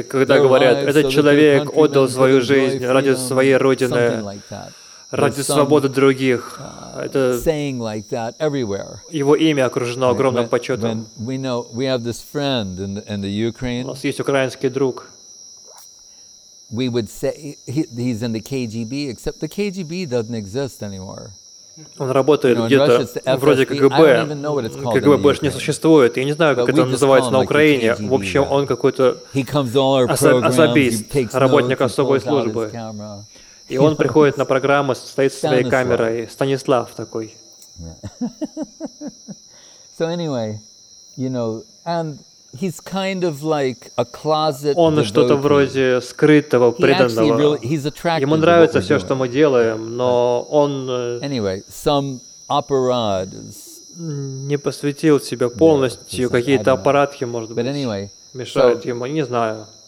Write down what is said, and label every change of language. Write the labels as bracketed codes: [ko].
[ru] И когда говорят: этот человек отдал свою жизнь ради своей родины, ради свободы других, его имя окружено огромным почетом. У нас есть украинский друг. [en] We would say he's in the KGB, except the KGB doesn't exist anymore. [ru] Он работает где-то вроде КГБ. КГБ больше не существует. Я не знаю, как это называется на Украине. В общем, он какой-то особист, работник особой службы. И он приходит на программу, стоит со своей камерой. Станислав такой. [en] So anyway, you know, and he's kind of like a closet. [ru] Он что-то вроде скрытого преданного. Ему нравится все, что мы делаем, но он не посвятил себя полностью. Какие-то аппаратки, может быть, мешают ему. Не знаю.